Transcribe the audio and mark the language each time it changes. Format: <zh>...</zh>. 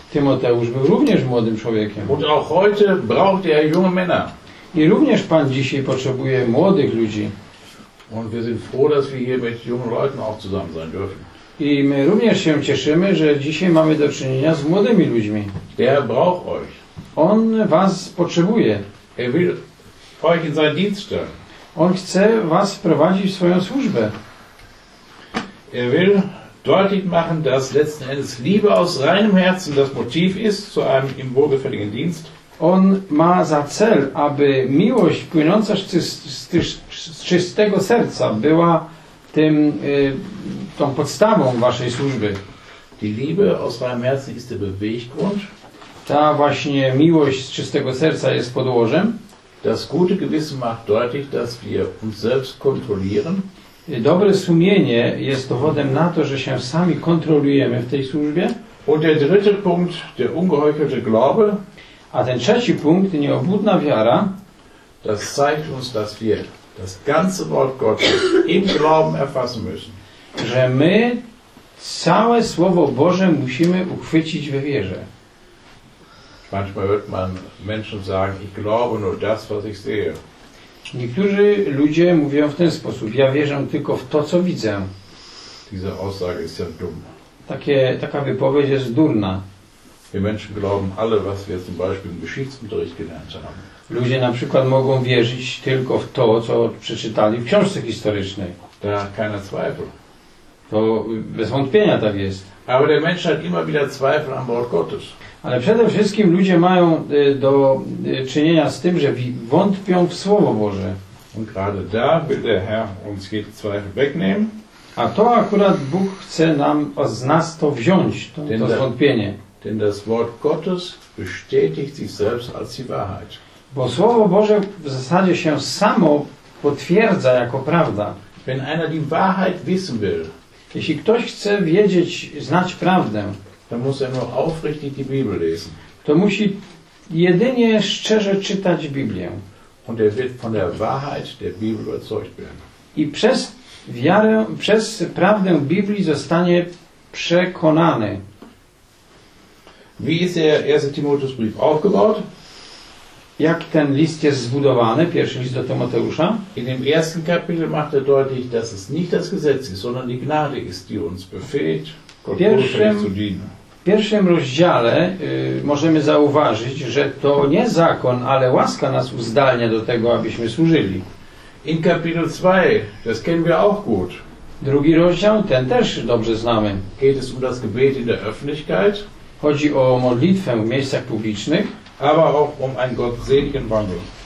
<pl>Tymoteusz był również młodym człowiekiem.</pl> <de>Und auch heute braucht er junge Männer.</de> <pl>I również Pan dzisiaj potrzebuje młodych ludzi.</pl> <de>Und wir sind froh, dass wir hier mit jungen Leuten auch zusammen sein dürfen.</de> <pl>I my również się cieszymy, że dzisiaj mamy do czynienia z młodymi ludźmi.</pl> <de>Der braucht euch.</de> <pl>On was potrzebuje.</pl> <de>Er will euch in seinen Dienst stellen.</de> <pl>On chce was wprowadzić w swoją służbę.</pl> <de>Er will deutlich machen, dass letzten Endes Liebe aus reinem Herzen das Motiv ist zu einem ihm wohlgefälligen Dienst.</de> <pl>On ma za cel, aby miłość płynąca z czystego serca była tym, tą podstawą waszej służby.</pl> <de>Die Liebe aus reinem Herzen ist der Beweggrund.</de> <pl>Ta właśnie miłość z czystego serca jest podłożem.</pl> <de>Das gute Gewissen macht deutlich, dass wir uns selbst kontrollieren.</de> <pl>Dobre sumienie jest dowodem na to, że się sami kontrolujemy w tej służbie.</pl> <de>Und der dritte Punkt, der ungeheuchelte Glaube.</de> <pl>A ten trzeci punkt, nieobłudna wiara.</pl> <de>Das zeigt uns, dass wir das ganze Wort Gottes im Glauben erfassen müssen.</de> <pl>Że my całe Słowo Boże musimy uchwycić we wierze.</pl> <de>Manchmal hört man Menschen sagen, ich glaube nur das, was ich sehe.</de> <pl>Niektórzy ludzie mówią w ten sposób: ja wierzę tylko w to, co widzę.</pl> <de>Diese Aussage ist ja dumm.</de> <pl>Taka wypowiedź jest durna.</pl> <de>Wir Menschen glauben alle, was wir zum Beispiel im Geschichtsunterricht gelernt haben.</de> <pl>Ludzie na przykład mogą wierzyć tylko w to, co przeczytali w książce historycznej.</pl> <de>Da keine Zweifel.</de> <pl>To bez wątpienia tak jest.</pl> <de>Aber der Mensch hat immer wieder Zweifel am Wort Gottes.</de> <pl>Ale przede wszystkim ludzie mają do czynienia z tym, że wątpią w Słowo Boże.</pl> <de>Und gerade da will der Herr uns jeden Zweifel wegnehmen.</de> <pl>A to akurat Bóg chce nam z nas to wziąć, to zwątpienie.</pl> <de>Denn das Wort Gottes bestätigt sich selbst als die Wahrheit.</de> <pl>Bo Słowo Boże w zasadzie się samo potwierdza jako prawda.</pl> <de>Wenn einer die Wahrheit wissen will,</de> <pl>jeśli ktoś chce wiedzieć, znać prawdę,</pl> <de>dann muss er nur aufrichtig die Bibel lesen.</de> <pl>To musi jedynie szczerze czytać Biblię.</pl> <de>Und er wird von der Wahrheit der Bibel überzeugt werden.</de> <pl>I przez wiarę, przez prawdę Biblii zostanie przekonany.</pl> <de>Wie ist der erste Timotheusbrief aufgebaut?</de> <pl>Jak ten list jest zbudowany, pierwszy list do Tymoteusza?</pl> <de>In dem ersten Kapitel macht er deutlich, dass es nicht das Gesetz ist, sondern die Gnade ist, die uns befähigt, Gott wohlfällig zu dienen.</de> <pl>W pierwszym rozdziale możemy zauważyć, że to nie zakon, ale łaska nas uzdalnia do tego, abyśmy służyli.</pl> <de>In Kapitel 2, das kennen wir auch gut.</de> <pl>Drugi rozdział, ten też dobrze znamy.</pl> <de>Geht es um das Gebet in der Öffentlichkeit?</de> <pl>Chodzi o modlitwę w miejscach publicznych.</pl> <de>Aber auch um einen gottseligen Wandel.</de>